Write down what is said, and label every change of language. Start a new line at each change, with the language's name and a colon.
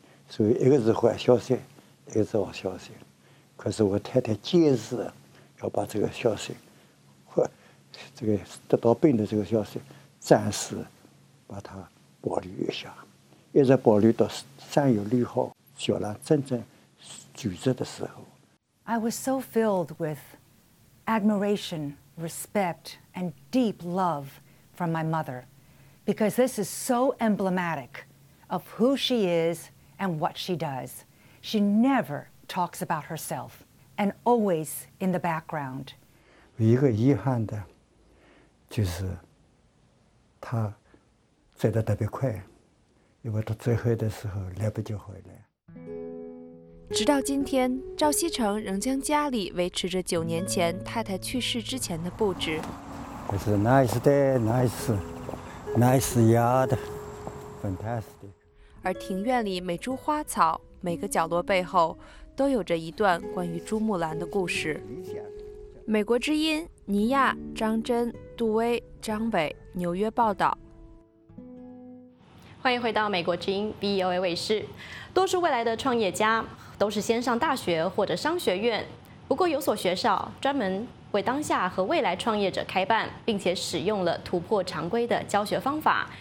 Chinese: 所以一个是坏消息，一个是好消息。可是我太太坚持要把这个消息，或这个得到病的这个消息，暂时把它保留一下，一直保留到3月6号，小兰真正就职的时候。
English: I was so filled with admiration, respect, and deep love from my mother, because this is so emblematic of who she is. And what she does. She never talks about herself and always in the background.
Chinese: 一个遗憾的就是她走得特别快，因为她最后的时候来不及回来。直到今天，赵锡成仍将家里维持着9年前太太去世之前的布置。这是
English: nice day, nice, nice yard, fantastic.
Chinese: 而庭院里每株花草、每个角落背后，都有着一段关于朱木兰的故事。美国之音，尼亚、张真、杜威、张伟，纽约报道。欢迎回到美国之音 VOA 卫视。多数未来的创业家都是先上大学或者商学院，不过有所学校专门为当下和未来创业者开办，并且使用了突破常规的教学方法。